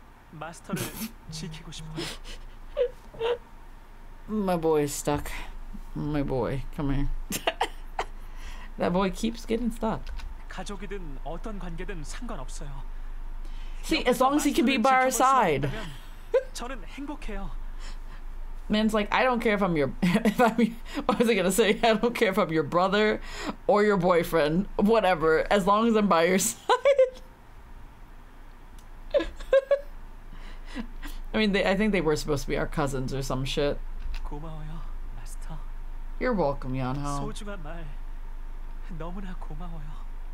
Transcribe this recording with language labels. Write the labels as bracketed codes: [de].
[ko] 마스터를 지키고 싶어요. [en] My boy is stuck. My boy, come here. That boy keeps getting stuck. [ko] 가족이든 어떤 관계든 상관없어요. [en] See, as long as he can be by our side. [ko] 저는 행복해요. [en] Man's like, I don't care if I'm your, what was I gonna say? I don't care if I'm your brother or your boyfriend, whatever, as long as I'm by your side. I mean, I think they were supposed to be our cousins or some shit. [ko] 고마워요, Master. [en] You're welcome, Yeonho. [ko] 소중한 말, 너무나 고마워요.